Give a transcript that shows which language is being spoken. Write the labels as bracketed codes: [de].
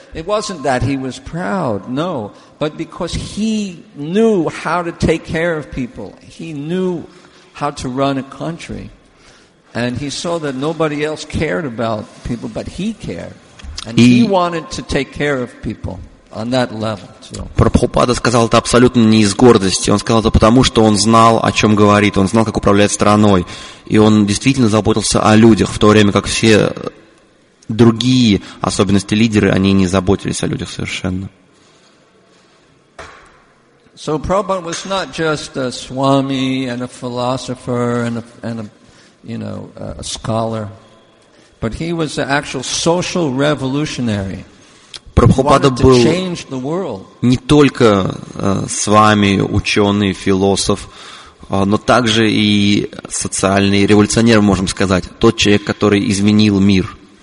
[en] It wasn't that he was proud, no, but because he knew how to take care of people. He knew how to run a country, and he saw that nobody else cared about people, but he cared, and he wanted to take care of people. On that level, so. [ru] Прабхупада сказал это абсолютно не из гордости. Он сказал это потому, что он знал, о чем говорит. Он знал, как управлять страной. И он действительно заботился о людях, в то время как все другие особенности лидеры, они не заботились о людях совершенно. [en] So Prabhupada was not just a swami and a philosopher and a you know, a scholar. But he was an actual social revolutionary. [ru] Прабхупада был не только с вами ученый, философ, но также и социальный революционер, можем сказать, тот человек, который изменил мир.